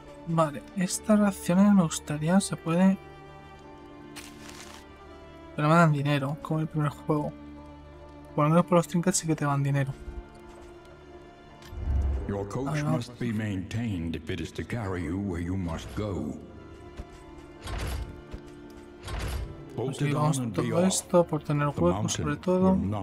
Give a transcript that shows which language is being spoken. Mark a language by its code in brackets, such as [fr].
[es] Vale, estas raciones me gustaría, se puede... Pero me dan dinero, como en el primer juego. Por lo menos por los trinkets sí que te dan dinero. [en] Your coach must be maintained if it is to carry you where you must go. [es] Así vamos todo esto por tener juego, sobre todo.